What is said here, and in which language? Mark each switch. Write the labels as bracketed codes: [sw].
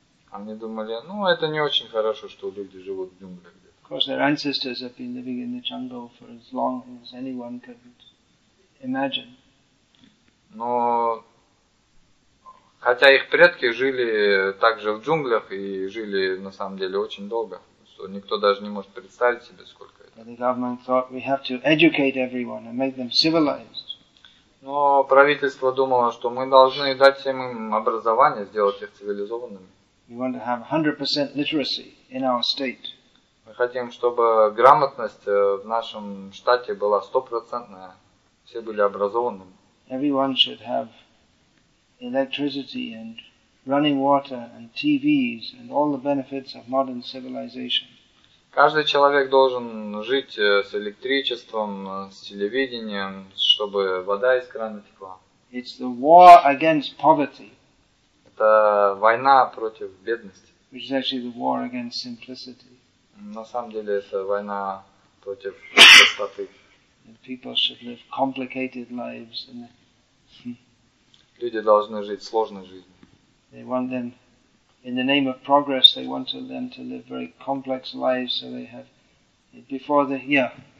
[ru] Они думали, ну это не очень хорошо, что люди живут в джунгле где-то. [en] Of course, their ancestors have been living in the jungle for as long as anyone could imagine. [ru] Но хотя их предки жили также в джунглях и жили на самом деле очень долго, что никто даже не может представить себе, сколько это. [en] The government thought we have to educate everyone and make them civilized. [ru] Но правительство думало, что мы должны дать всем им образование, сделать их цивилизованными. [en] We want to have 100% literacy in our state. [ru] Мы хотим, чтобы грамотность в нашем штате была 100%, все были образованными. [en] Everyone should have electricity and running water and TVs and all the benefits of modern civilization. [ru] Каждый человек должен жить с электричеством, с телевидением, чтобы вода из крана текла. [en] It's the war against poverty. [ru] Это война против бедности. [en] Which is actually the war against simplicity. [ru] На самом деле это война против простоты. [en] And people should live complicated lives and [ru] люди должны жить сложной жизнью. [en] They want them, in the name of progress, they want them to live very complex lives, so they have before the yeah.